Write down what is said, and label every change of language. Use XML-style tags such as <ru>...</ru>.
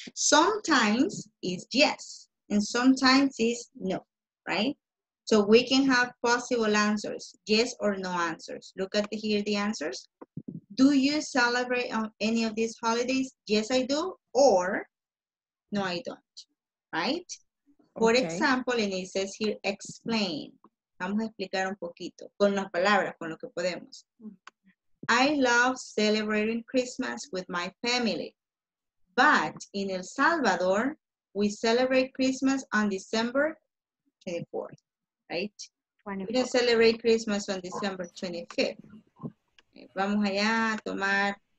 <en>Sometimes it's yes, and sometimes it's no, right? So we can have possible answers, yes or no answers. Look at here the answers. Do you celebrate on any of these holidays? Yes, I do, or no, I don't, right? Okay. For example, and it says here, explain.</en> <es>Vamos a explicar un poquito, con las palabras, con lo que podemos.</es> <en>I love celebrating Christmas with my family, but in El Salvador, we celebrate Christmas on December 24th, right? 24th. We don't celebrate Christmas on December 25th.</en> <es>Vamos allá a tomar</es>